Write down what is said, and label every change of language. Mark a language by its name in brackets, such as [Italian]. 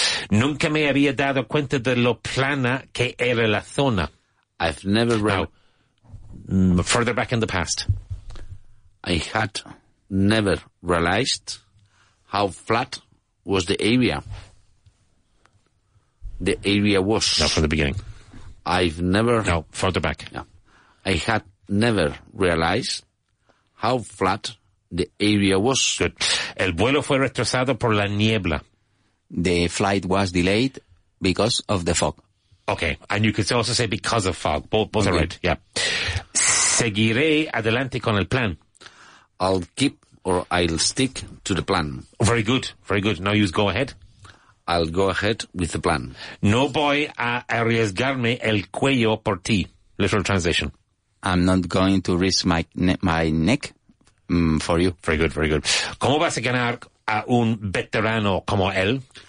[Spanish] Nunca me había dado cuenta de lo plana que era la zona. [English] Further back in the past. I had never realized how flat was the area. Now from the beginning. Further back. Yeah. I had never realized how flat the area was. Good. [Spanish] El vuelo fue retrasado por la niebla. [English] The flight was delayed because of the fog. Okay. And you could also say because of fog. Both are right. Yeah. [Spanish] Seguiré adelante con el plan. [English] I'll stick to the plan. Very good. Now use go ahead. I'll go ahead with the plan. [Spanish] No voy a arriesgarme el cuello por ti. [English] Literal translation. I'm not going to risk my neck for you. Very good. [Spanish] ¿Cómo vas a ganar a un veterano como él?